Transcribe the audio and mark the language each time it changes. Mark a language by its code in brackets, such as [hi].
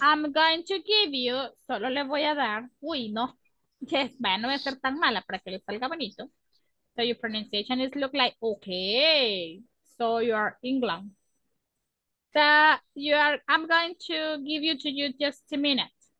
[en] I'm going to give you, [es] solo le voy a dar, uy, no. Yes, vaya, no voy a ser tan mala para que le salga bonito. [en] So your pronunciation is look like, okay, so you are England. So you are, I'm going to give you to you just a minute.